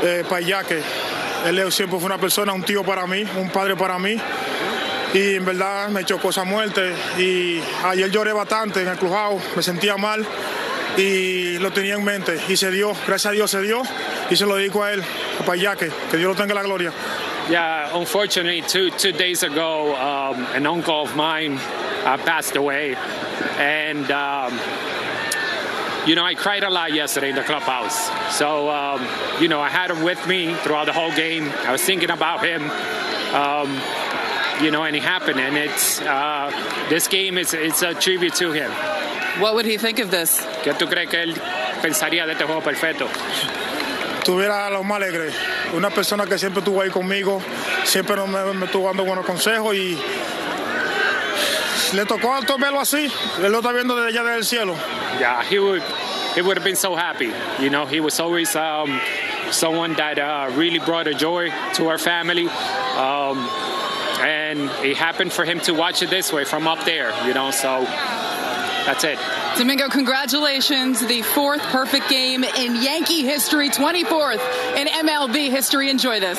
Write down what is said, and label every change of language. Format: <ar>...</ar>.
<es>Payaque, él siempre fue una persona, un tío para mí, un padre para mí, y en verdad me chocó esa muerte, y ayer lloré bastante en el clubhouse, me sentía mal, y lo tenía en mente, y se dio, gracias a Dios se dio, y se lo dedico a él, a Payaque, que Dios lo tenga la gloria.</es> <en>Yeah, unfortunately, two days ago, an uncle of mine passed away, and, you know, I cried a lot yesterday in the clubhouse. So, you know, I had him with me throughout the whole game. I was thinking about him, you know, and it happened. And it's this game is a tribute to him. What would he think of this?</en> <es>¿Qué tú crees que él pensaría de este juego perfecto? Tuviera lo más alegre. Una persona que siempre estuvo ahí conmigo, siempre me estuvo dando buenos consejos y le tocó alto verlo así. Él lo está viendo desde allá del cielo.</es> <en>Yeah, he would have been so happy. You know, he was always someone that really brought a joy to our family. And it happened for him to watch it this way from up there, you know, so that's it. Domingo, congratulations. The fourth perfect game in Yankee history, 24th in MLB history. Enjoy this.</en>